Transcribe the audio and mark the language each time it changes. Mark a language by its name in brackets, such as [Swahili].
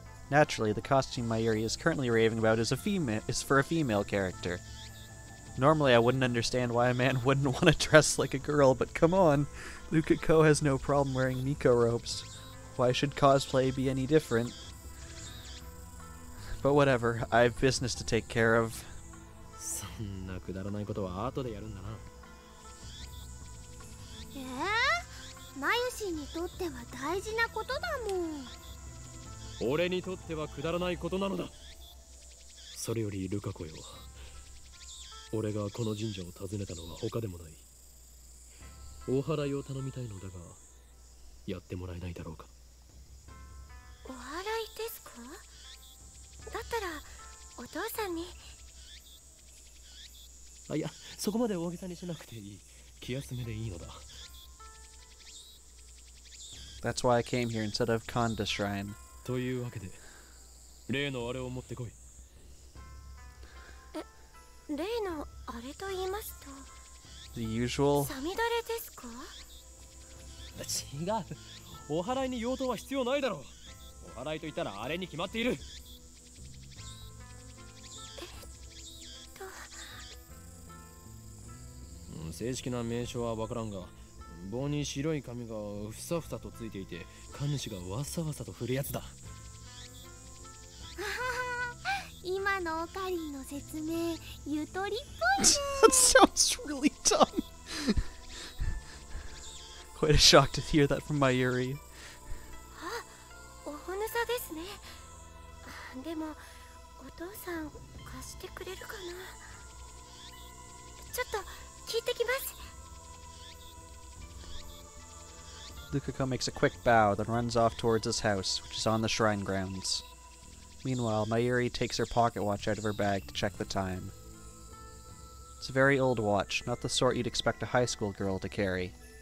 [English] Naturally, the costume Mayuri is currently raving about is for a female character. Normally, I wouldn't understand why a man wouldn't want to dress like a girl, but come on! Lukako has no problem wearing Miko robes. Why should cosplay be any different? But whatever, I have business to take care of. [Japanese] そんなくだらないことは後でやるんだな。マユシにとっては大事なことだもん。俺にとってはくだらないことなのだ。それよりルカコよ。俺がこの神社を訪ねたのは他でもない。お祓いを頼みたいのだが、やってもらえないだろうか。お祓いですか？だったらお父さんに。あ、いや、そこまで大げさにしなくていい。気休めでいいのだ。 [English] That's why I came here instead of Kanda Shrine. [Japanese] というわけで、例のあれを持ってこい。例のあれと言いますと、 [English] The usual? [Japanese] サミダレですか？違う。お祓いに用途は必要ないだろう。お祓いと言ったらあれに決まっている。正式な名称はわからんが、棒に白い紙がふさふさとついていて、神主がわさわさと振るやつだ。今のオカリンの説明、ゆとりっぽい。 [English] That sounds really dumb. Quite a shock to hear that from my Yuri. [Japanese] あ、おほぬさですね。でも、お父さん貸してくれるかな。ちょっと聞いてきます。 [English] Lukaku makes a quick bow, then runs off towards his house, which is on the shrine grounds. Meanwhile, Mayuri takes her pocket watch out of her bag to check the time. It's a very old watch, not the sort you'd expect a high school girl to carry.